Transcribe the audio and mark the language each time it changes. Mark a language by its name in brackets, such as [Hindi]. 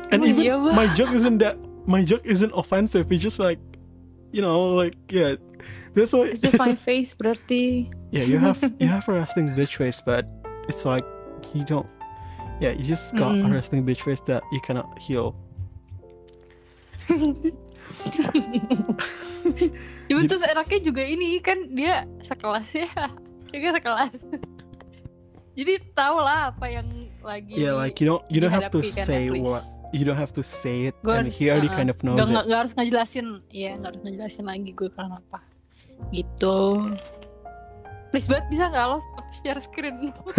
[English] and even my joke isn't offensive, it's just like, you know, like, yeah, that's why it's just my face berarti. Yeah, you have a resting bitch face, but it's like you don't, yeah, you just got a resting bitch face that you cannot heal. [Indonesian] Cuma terus enaknya juga ini kan dia sekelas ya, juga sekelas. Jadi tau lah apa yang lagi. [English] Yeah, like you don't have to kan, say what you don't have to say it, gua and harus, he already kind of knows. [Indonesian] Gak harus ngejelasin, ya gak harus ngejelasin lagi gue karena apa. Gitu. Please banget bisa nggak lo stop share screen?